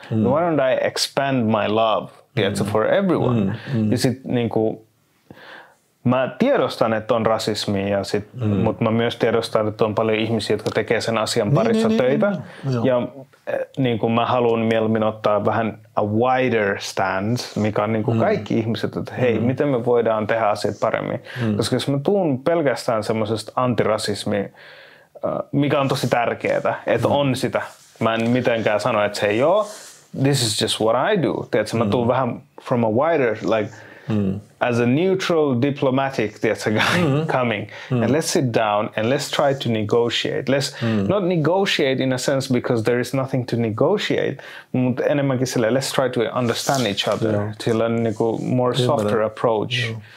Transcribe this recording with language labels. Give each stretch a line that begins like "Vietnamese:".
English: Why don't I expand my love for everyone?
Finnish: Ja sit niin kuin... Mä tiedostan, että on rasismi, mutta mä myös tiedostan, että on paljon ihmisiä, jotka tekee sen asian parissa töitä. Niin. Ja niin kuin mä haluan mieluummin ottaa vähän
English: a wider stance,
Finnish: mikä on niin kuin kaikki ihmiset, että hei, miten me voidaan tehdä asiat paremmin. Koska jos mä tuun pelkästään semmoisesta antirasismia, mikä on tosi tärkeää, että on sitä. Mä en mitenkään sano, että se ei ole.
English: This is just what I do.
Finnish: Tiedätkö, mä tuun vähän
English: from a wider, like... As a neutral diplomatic theater guy coming, and let's sit down and let's try to negotiate. Let's not negotiate in a sense because there is nothing to negotiate, but
Finnish: enemmänkin silleen,
English: let's try to understand each other to learn niinku more softer approach. Yeah.